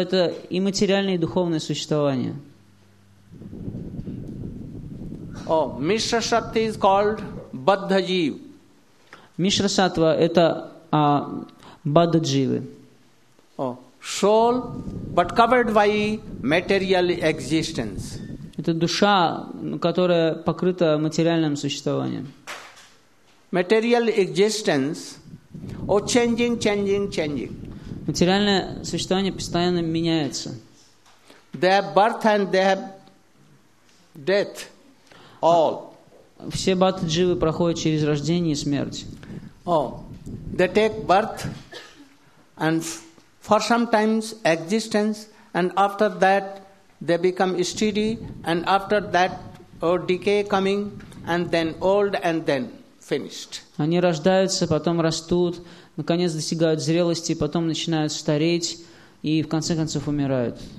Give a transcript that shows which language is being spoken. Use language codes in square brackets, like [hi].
[ru] Это и материальное, и духовное существование. [en] Мишра сатва is called баддхаджив. [ru] Мишра сатва это баддхадживы. [en] Soul, but covered by material existence. [ru] Это душа, которая покрыта материальным существованием. [en] Material existence, changing. [ru] Материальное существование постоянно меняется. [en] They have birth and they have death. All. [ru] Все баддживы проходят через рождение и смерть. [en] They take birth and for some times existence, and after that they become steady, and after that decay coming, and then old, and then finished. [ru] Они рождаются, потом растут, наконец достигают зрелости, потом начинают стареть и в конце концов умирают.